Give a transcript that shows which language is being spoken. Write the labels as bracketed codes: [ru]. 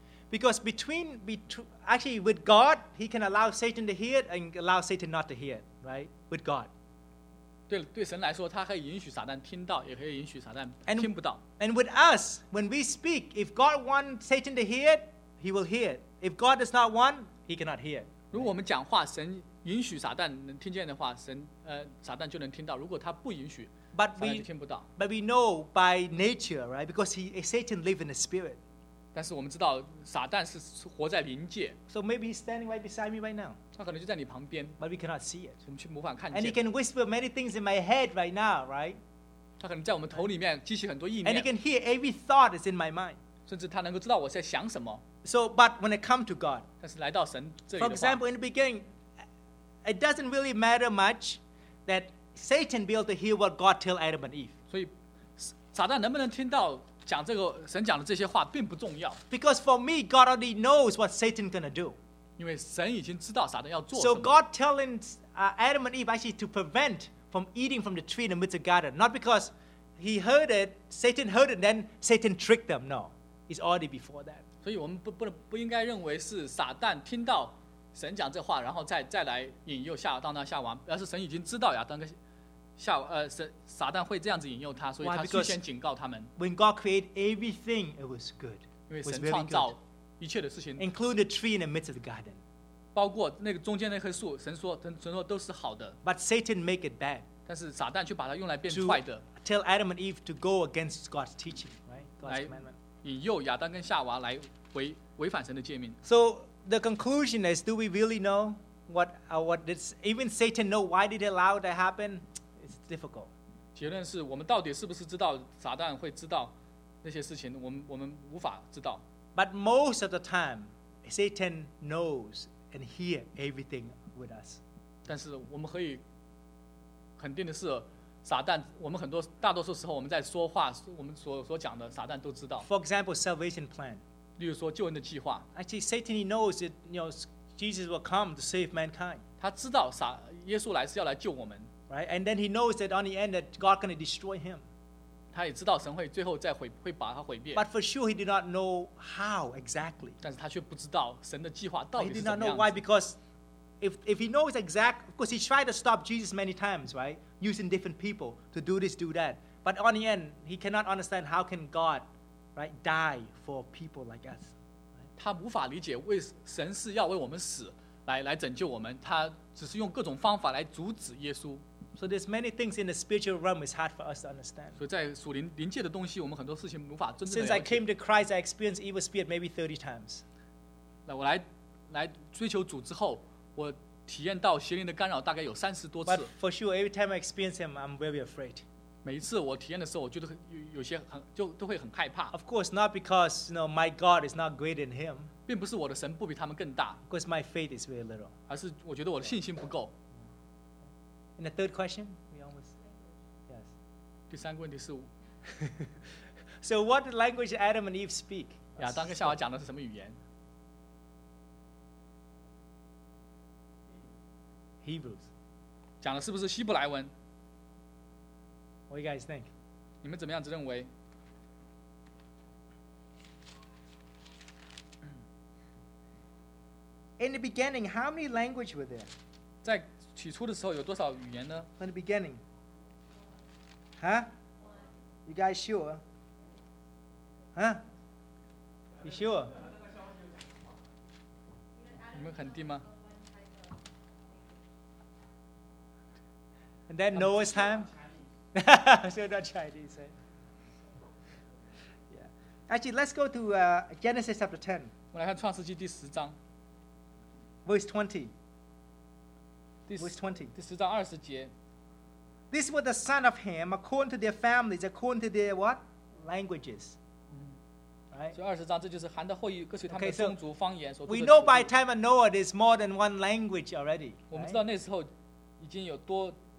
[en] Because between, actually with God, he can allow Satan to hear it and allow Satan not to hear it, right? With God. [zh] 对, 对神来说, 他可以允许撒旦听到, 也可以允许撒旦听不到。 [en] And with us, when we speak, if God wants Satan to hear it, he will hear it. If God does not want, he cannot hear it. [zh] 如果我们讲话, 神允许撒旦能听见的话, 神, 撒旦就能听到。 如果他不允许, 撒旦就听不到。 [en] But we know by nature, right? Because Satan lives in the spirit. [zh] 但是我们知道撒旦是活在灵界。 [en] So maybe he's standing right beside me right now. [zh] 他可能就在你旁边。 [en] But we cannot see it. [zh] 我们却无法看见。 [en] And he can whisper many things in my head right now, right? [zh] 他可能在我们头里面激起很多意念。 [en] And he can hear every thought that's in my mind. [zh] 甚至他能够知道我在想什么。 [en] So, but when it comes to God, [zh] 但是来到神这里的 [en] 话, for example, in the beginning, it doesn't really matter much that Satan be able to hear what God tell Adam and Eve. [zh] 所以撒旦能不能听到讲这个神讲的这些话并不重要。 [en] Because for me, God already knows what Satan gonna do. [zh] 因为神已经知道撒旦要做什么。 [en] So God telling Adam and Eve actually to prevent from eating from the tree in the midst of garden, not because he heard it, Satan heard it, then Satan tricked them. No, it's already before that. [zh] 所以我们不应该认为是撒旦听到神讲这话，然后再来引诱亚当夏娃，而是神已经知道亚当跟夏撒旦会这样子引诱他，所以他预先警告他们。 [en] When God created everything, it was good. [zh] 因为神创造一切的事情 [en] ，including the tree in the midst of the garden， [zh] 包括那个中间那棵树，神说都是好的。 [en] But Satan make it bad. [zh] 但是撒旦却把它用来变坏的。 [en] Tell Adam and Eve to go against God's teaching, right? God's commandment. [zh] 引诱亚当跟夏娃来违反神的诫命。 [en] So the conclusion is, do we really know what this, even Satan know why did it allow that happen? It's difficult. [zh] 结论是我们到底是不是知道撒旦会知道那些事情，我们无法知道。 [en] But most of the time, Satan knows and hears everything with us. [zh] 但是我们可以肯定的是，撒旦，我们很多大多数时候我们在说话，我们所讲的撒旦都知道。 [en] For example, salvation plan. [zh] 例如说救恩的计划。 [en] Actually, Satan knows that, you know, Jesus will come to save mankind. [zh] 他知道耶稣来是要来救我们。 [en] Right, and then he knows that on the end that God gonna destroy him. [zh] 他也知道神会最后再会把他毁灭。 [en] But for sure, he did not know how exactly. [zh] 但是他却不知道神的计划到底是怎么样。 [en] He did not know why, because if he knows exact, because he tried to stop Jesus many times, right, using different people to do this, do that. But on the end, he cannot understand how can God. Right, die for people like us. [zh] 他无法理解为神是要为我们死，来拯救我们。他只是用各种方法来阻止耶稣。 [en] So there's many things in the spiritual realm is hard for us to understand. [zh] 所以在属灵界的东西，我们很多事情无法真正的。 [en] Since I came to Christ, I experienced evil spirit maybe 30 times. [zh] 那我来追求主之后，我体验到邪灵的干扰大概有三十多次。 [en] But for sure, every time I experience him, I'm very afraid. [zh] 每一次我体验的时候，我觉得有些就都会很害怕。 [en] Of course, not because you know my God is not greater than him. [zh] 并不是我的神不比他们更大。 [en] Because my faith is very little. [zh] 而是我觉得我的信心不够。 [en] And the third question, we almost yes. [zh] 第三个问题是。 [en] So what language Adam and Eve speak? [zh] 亚当跟夏娃讲的是什么语言 [en] ？Hebrews. [zh] 讲的是不是希伯来文？ [en] What do you guys think? [zh] 你们怎么样子认为？ [en] In the beginning, how many language were there? [zh] 在起初的时候有多少语言呢？ [en] In the beginning. Huh? You guys sure? Huh? You sure? [zh] 你们肯定吗？ [en] And then Noah's time? So not Chinese, eh? Yeah. Actually, let's go to Genesis chapter 10. [zh] 我来看创世纪第十章。 [en] Verse 20. Verse 20. [zh] 第十章二十节。 [en] These were the son of Ham according to their families, according to their what? Languages. Right. [zh] 所以二十章这就是含的后裔各随他们的宗族方言所。 [en] Okay, so we know by time of Noah, there's more than one language already. [zh] 我们知道那时候已经有多。